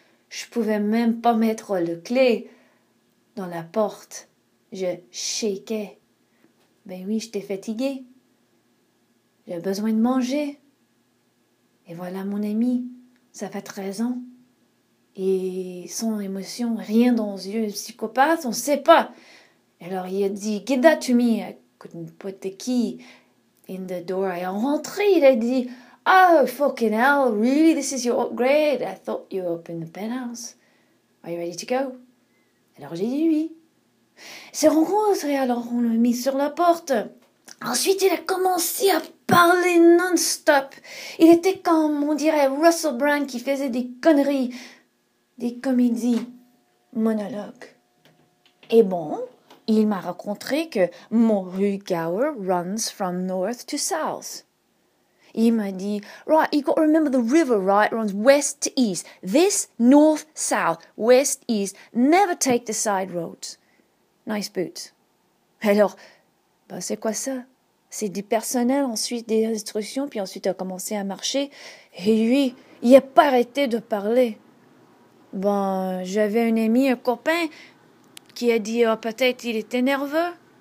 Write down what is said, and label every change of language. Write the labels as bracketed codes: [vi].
[fr] Je pouvais même pas mettre le clé dans la porte. Je shakais. Ben oui, j'étais fatiguée. J'ai besoin de manger. Et voilà mon ami, ça fait 13 ans. Et sans émotion, rien dans les yeux, psychopathe, on ne sait pas. Alors il a dit, [en] Give that to me, I couldn't put the key in the door. [fr] Et en rentrée, il a dit, [en] Oh, fucking hell, really, this is your upgrade? I thought you opened the penthouse. Are you ready to go? [fr] Alors j'ai dit oui. C'est rencontré, alors on l'a mis sur la porte. Ensuite, il a commencé à parler non-stop. Il était comme, on dirait, Russell Brand qui faisait des conneries, des comédies, monologues. Et bon, il m'a raconté que mon rue Gower [en] runs from north to south. [fr] Il m'a dit, [en] Right, you got to remember the river, right, runs west to east. This, north, south, west, east. Never take the side roads. Nice boots. [fr] Alors, ben c'est quoi ça? C'est du personnel, ensuite des instructions, puis ensuite a commencé à marcher. Et lui, il n'a pas arrêté de parler. Ben, j'avais un ami, un copain, qui a dit, oh, peut-être il était nerveux.